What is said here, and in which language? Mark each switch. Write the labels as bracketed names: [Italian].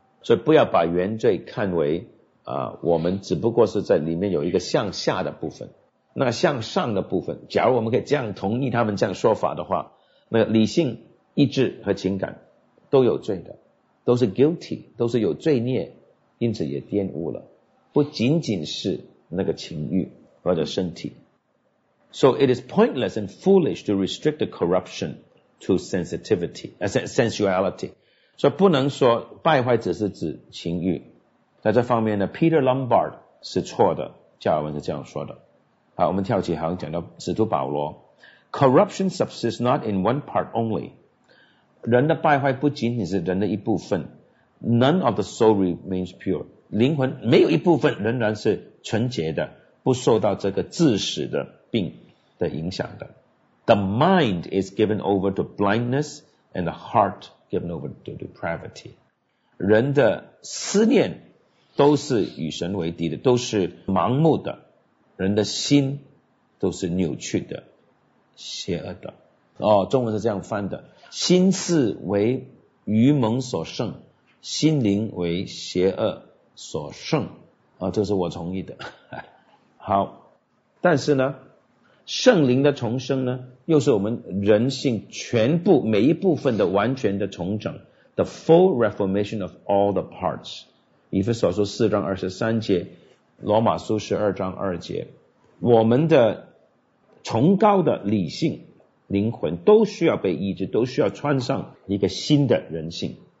[Chinese] 所以不要把原罪看为我们只不过是在里面有一个向下的部分，那向上的部分，假如我们可以这样同意他们这样说法的话，那理性意志和情感都有罪的，都是 guilty， 都是有罪孽，因此也玷污了，不仅仅是那个情欲或者身体。 [English] So it is pointless and foolish to restrict the corruption to sensitivity sensuality， [Chinese] 所以不能说败坏只是指情欲，在这方面呢 Peter Lombard 是错的，加尔文是这样说的。好，我们跳起好像讲到使徒保罗。 [English] Corruption subsists not in one part only， [Chinese] 人的败坏不仅仅是人的一部分。 [English] None of the soul remains pure， [Chinese] 灵魂没有一部分仍然是纯洁的，不受到这个致使的病的影响的。 [English] The mind is given over to blindness and the heart given over to depravity， [Chinese] 人的思念都是与神为敌的，都是盲目的，人的心都是扭曲的，邪恶的。哦，中文是这样翻的，心思为愚蒙所胜，心灵为邪恶所胜。这是我同意的。好，但是呢圣灵的重生呢，又是我们人性全部每一部分的完全的重整， [English] The full reformation of all the parts， [Chinese] 以弗所书四章二十三节，罗马书十二章二节，我们的崇高的理性灵魂都需要被医治，都需要穿上一个新的人性。